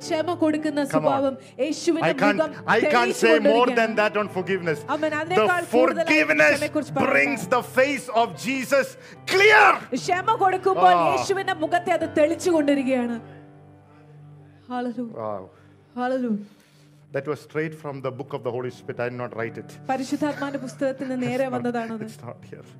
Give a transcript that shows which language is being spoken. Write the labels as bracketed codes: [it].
[ml] ക്ഷമ കൊടുക്കുന്ന സ്വഭാവം യേശുവിന്റെ മുഖം [en] I can't say more than that on forgiveness. Amen. The forgiveness brings the face of Jesus clear. [ml] ക്ഷമ കൊടുക്കുമ്പോൾ യേശുവിന്റെ മുഖത്തെ അത് തെളിച്ചു കൊണ്ടിരിക്കുകയാണ്. Hallelujah. Wow. Hallelujah. [en] That was straight from the book of the Holy Spirit. I did not write it. [ml] പരിശുദ്ധാത്മാവിന്റെ പുസ്തകത്തിൽ നിന്ന് നേരെ വന്നതാണ് അത്.